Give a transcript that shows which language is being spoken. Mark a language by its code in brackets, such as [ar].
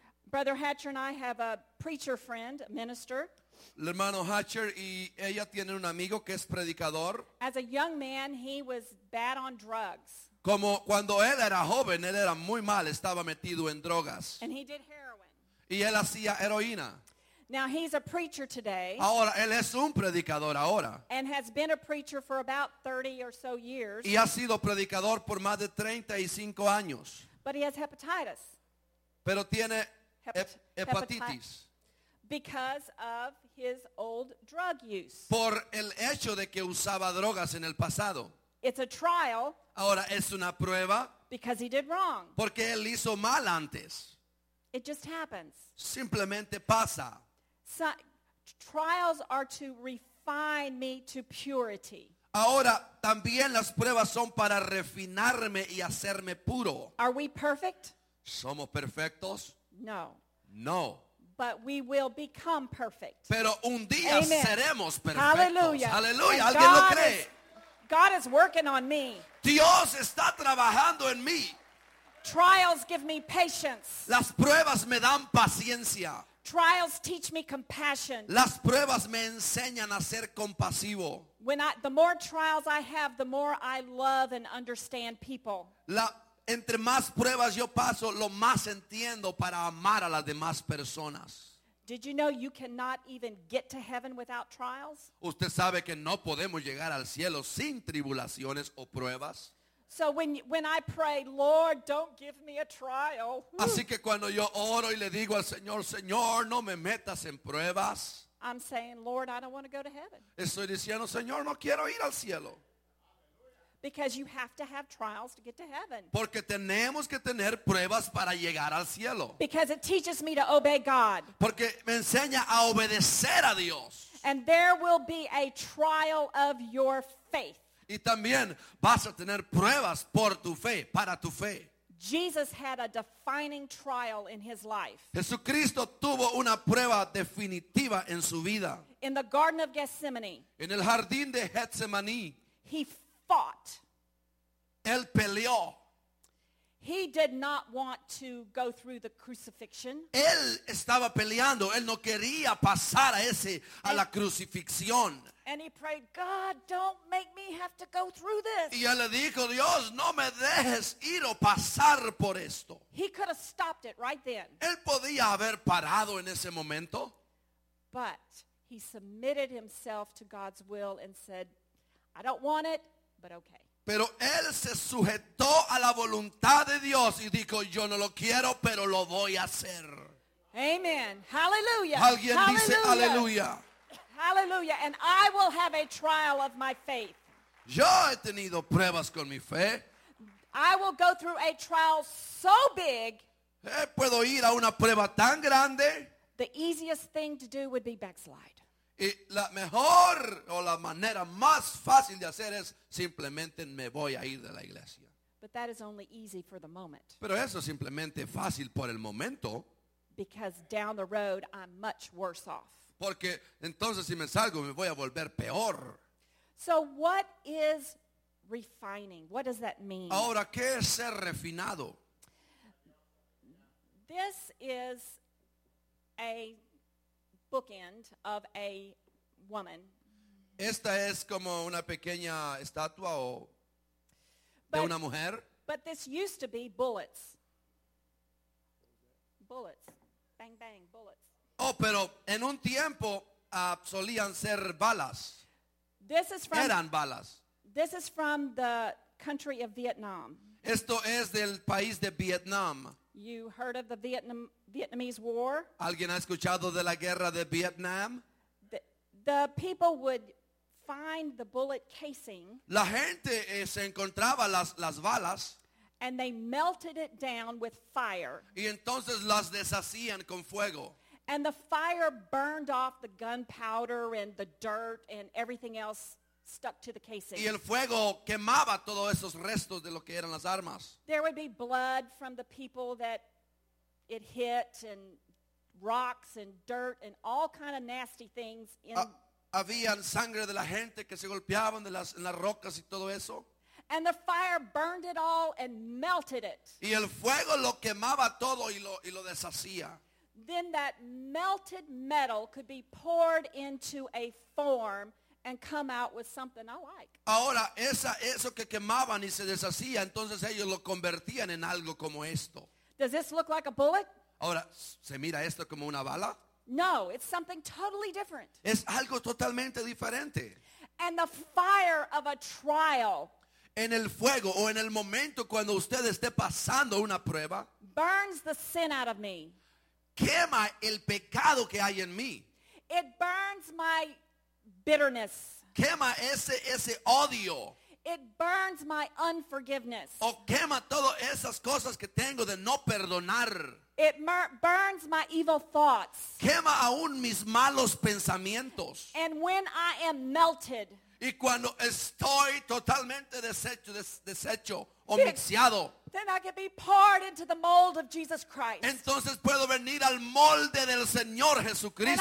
[en] Brother Hatcher and I have a preacher friend, a minister. [es] El hermano Hatcher y ella tienen un amigo que es predicador. [en] As a young man, he was bad on drugs. [es] Como cuando él era joven, él era muy mal, estaba metido en drogas. [en] And he did heroin. [es] Y él hacía heroína. [en] Now he's a preacher today. [es] Ahora, él es un predicador ahora. [en] And has been a preacher for about 30 or so years. [es] Y ha sido predicador por más de 35 años. [en] But he has hepatitis. [es] Pero tiene hepatitis. [en] Because of his old drug use. [es] Por el hecho de que usaba drogas en el pasado. [en] It's a trial. [es] Ahora es una prueba. [en] Because he did wrong. [es] Porque él hizo mal antes. [en] It just happens. [es] Simplemente pasa. [en] So, trials are to refine me to purity. [es] Ahora también las pruebas son para refinarme y hacerme puro. [en] Are we perfect? [es] ¿Somos perfectos? [en] No. [es] No. [en] But we will become perfect. [es] Pero un día, amen, seremos perfectos. [en] Hallelujah. [es] Hallelujah. ¿Alguien lo cree? [en] God is working on me. [es] Dios está trabajando en mí. [en] Trials give me patience. [es] Las pruebas me dan paciencia. [en] Trials teach me compassion. [es] Las pruebas me enseñan a ser compasivo. [en] The more trials I have, the more I love and understand people. [es] Entre más pruebas yo paso, lo más entiendo para amar a las demás personas. [en] Did you know you cannot even get to heaven without trials? [es] Usted sabe que no podemos llegar al cielo sin tribulaciones o pruebas. [en] So when I pray, Lord, don't give me a trial. [es] Así que cuando yo oro y le digo al Señor, Señor, no me metas en pruebas. [en] I'm saying, Lord, I don't want to go to heaven. [es] Estoy diciendo, Señor, no quiero ir al cielo. [en] Because you have to have trials to get to heaven. [es] Porque tenemos que tener pruebas para llegar al cielo. [en] Because it teaches me to obey God. [es] Porque me enseña a obedecer a Dios. [en] And there will be a trial of your faith. [es] Y también vas a tener pruebas por tu fe, para tu fe. [en] Jesus had a defining trial in his life. [es] Jesucristo tuvo una prueba definitiva en su vida. [en] In the Garden of Gethsemane. [es] En el jardín de Getsemaní. [en] He fought. [es] Él peleó. [en] He did not want to go through the crucifixion. [es] Él estaba peleando. Él no quería pasar a la crucifixión. [en] And he prayed, God, don't make me have to go through this. [es] Y él le dijo, Dios, no me dejes ir o pasar por esto. [en] He could have stopped it right then. [es] Él podía haber parado en ese momento. [en] But he submitted himself to God's will and said, I don't want it, but okay. [es] Pero él se sujetó a la voluntad de Dios y dijo, yo no lo quiero, pero lo voy a hacer. [en] Amen. Hallelujah. [es] Alguien Hallelujah. Dice hallelujah. [en] Hallelujah. And I will have a trial of my faith. [es] Yo he tenido pruebas con mi fe. [en] I will go through a trial so big. [es] Puedo ir a una prueba tan grande. [en] The easiest thing to do would be backslide. [es] Y la mejor o la manera más fácil de hacer es simplemente me voy a ir de la iglesia. [en] But that is only easy for the moment. [es] Pero eso es simplemente fácil por el momento. [en] Because down the road I'm much worse off. [es] Porque entonces si me salgo me voy a volver peor. [en] So what is refining? What does that mean? [es] Ahora, ¿qué es ser refinado? [en] This is a bookend of a woman. [es] Esta es como una pequeña estatua o de una mujer. [en] But this used to be bullets. Bullets. Bang, bang, bullets. [es] Oh, pero en un tiempo solían ser balas. [en] This is from, [es] eran balas. [en] This is from the country of Vietnam. [es] Esto es del país de Vietnam. [en] You heard of the Vietnamese War? [es] ¿Alguien ha escuchado de la guerra de Vietnam? [en] The people would find the bullet casing. [es] La gente se encontraba las balas. [en] And they melted it down with fire. [es] Y entonces las deshacían con fuego. [en] And the fire burned off the gunpowder and the dirt and everything else stuck to the casing. [es] Y el fuego quemaba todos esos restos de lo que eran las armas. [en] There would be blood from the people that it hit and rocks and dirt and all kind of nasty things. [es] Habían sangre de la gente que se golpeaban en las rocas y todo eso. [en] And the fire burned it all and melted it. [es] Y el fuego lo quemaba todo y lo deshacía. [en] Then that melted metal could be poured into a form and come out with something I like. [es] Ahora, eso que quemaban y se deshacía, entonces ellos lo convertían en algo como esto. [en] Does this look like a bullet? [es] Ahora, ¿se mira esto como una bala? [en] No, it's something totally different. [es] Es algo totalmente diferente. [en] And the fire of a trial. [es] En el fuego o en el momento cuando usted esté pasando una prueba. [en] Burns the sin out of me. [es] Quema el pecado que hay en mí. [en] It burns my bitterness. [es] Quema ese odio. [en] It burns my unforgiveness. [es] O quema todas esas cosas que tengo de no perdonar. [en] It burns my evil thoughts. [es] Quema aún mis malos pensamientos. [en] And when I am melted. [es] Y cuando estoy totalmente deshecho. O mixiado. [en] Then I can be poured into the mold of Jesus Christ. [es] Entonces puedo venir al molde del Señor Jesucristo.